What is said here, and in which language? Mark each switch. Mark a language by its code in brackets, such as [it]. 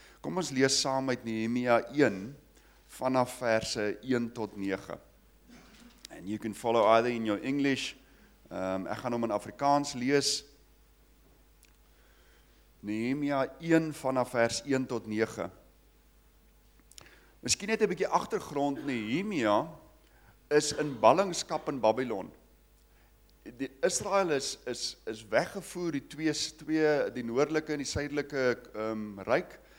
[af] Kom ons lees saam uit Nehemia 1 vanaf verse 1 tot 9. [en] And you can follow either in your English. [af] Ek gaan hom in Afrikaans lees. Nehemia 1 vanaf vers 1 tot 9. Miskien net 'n bietjie agtergrond. Nehemia is in ballingskap in Babylon. Die Israel is weggevoer, die twee, die noordelike en die suidelike ryk.